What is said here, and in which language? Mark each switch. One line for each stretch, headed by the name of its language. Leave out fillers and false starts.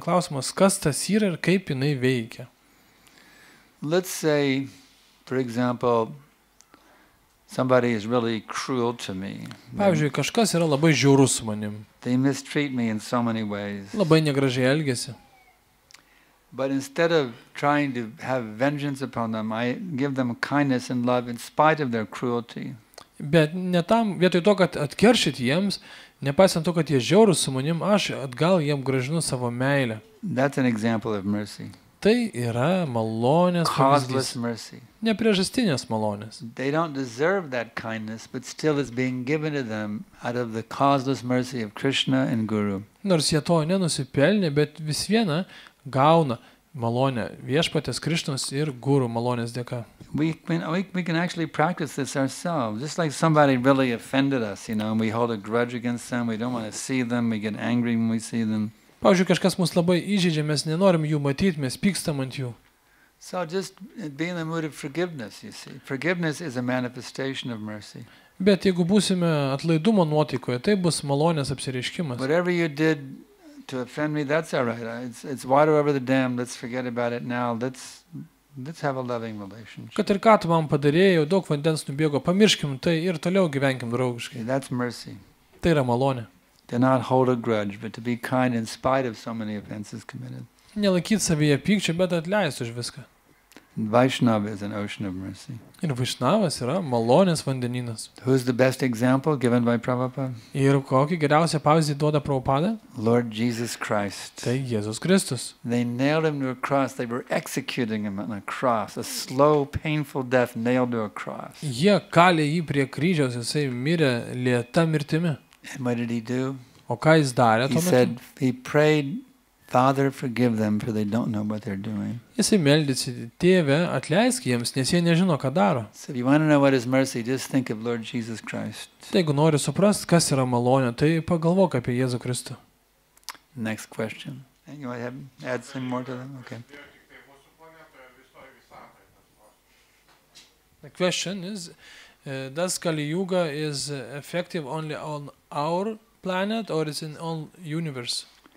Lithuanian: Klausimas, kas tas yra ir kaip jinai veikia?
English: Let's say, for example, Somebody is really cruel to me.
Lithuanian: Pavyzdžiui, kažkas yra labai žiaurus su manim.
English: They mistreat me in so many ways.
Lithuanian: Labai negražiai elgiasi.
English: But instead of trying to have vengeance upon them, I give them kindness and love in spite of their cruelty.
Lithuanian: Bet ne tam, vietoj to, kad atkeršyti jiems, nepaisant to, kad jie žiaurus su manim, aš atgal jiems gražinu savo meilę.
English: That's an example of mercy.
Lithuanian: Tai yra malonės pavyzdys.
English: Mercy.
Lithuanian: Nepriežastinės malonės.
English: They don't deserve that kindness, but still it's being given to them out of the causeless mercy of Krishna and Guru.
Lithuanian: Nors jie to nenusipelnė, bet vis viena gauna malonę viešpatės Krishnos ir Guru malonės dėka.
English: We can actually practice this ourselves. Just like somebody really offended us, you know, and we hold a grudge against them, we don't want to see them, we get angry when we see them.
Lithuanian: Pavyzdžiui, kažkas mus labai įžeidžia, mes nenorim jų matyti, mes pykstam ant jų.
English: So just be in the mood of forgiveness, you see. Forgiveness is a manifestation of mercy.
Lithuanian: Bet jeigu būsime atlaidumo nuotaikoje, tai bus malonės apsireiškimas.
English: Whatever you did to offend me, that's all right. It's water over the dam. Let's forget about it now. Let's have a loving relationship.
Lithuanian: Kad ir ką tu man padarėjai, jau daug vandens nubėgo, pamirškim tai ir toliau gyvenkim draugiškai.
English: That's mercy.
Lithuanian: Tai yra malonė.
English: To not hold a grudge, but to be kind in spite of so many offenses committed.
Lithuanian: Nelaikyti savyje pykčio, bet atleisti už viską.
English: Vaishnava is an ocean of mercy.
Lithuanian: Ir Vaishnavas yra malonės vandenynas.
English: Who is the best example given by Prabhupada?
Lithuanian: Ir kokį geriausią pavyzdį duoda Prabhupada?
English: Lord Jesus Christ.
Lithuanian: Tai Jėzus Kristus.
English: They nailed him to a cross. They were executing him on a cross. A slow, painful death nailed to a cross.
Lithuanian: Jie kalė jį prie kryžiaus, jisai mirė lėta mirtimi.
English: And what did he do?
Lithuanian: O ką jis darė tuo metu?
English: He said he prayed, Father, forgive them, for they don't know what they're doing.
Lithuanian: Jis meldėsi, Tėve, atleisk jiems, nes jie nežino, ką daro.
English: So if you want to know what is mercy, just think of Lord Jesus Christ.
Lithuanian: Jeigu nori suprast, kas yra malonė, tai pagalvok apie Jėzų Kristų.
English: Next question. You want to add some more to them? Okay. The question is, does Kali Yuga is effective only on our planet or is in all universe?